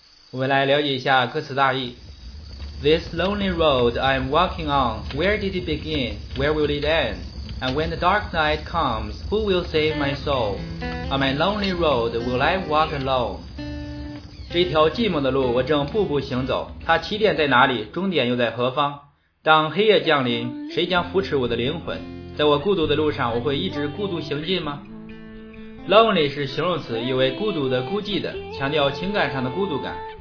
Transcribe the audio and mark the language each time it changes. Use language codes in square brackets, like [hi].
[zh] 我们来了解一下歌词大意。 [en] This lonely road I'm walking on, where did it begin? Where will it end? And when the dark night comes, who will save my soul? On my lonely road, will I walk alone? [zh] 这条寂寞的路我正步步行走，它起点在哪里，终点又在何方？当黑夜降临，谁将扶持我的灵魂？在我孤独的路上，我会一直孤独行进吗？ Lonely 是形容词，意为孤独的、孤寂的，强调情感上的孤独感。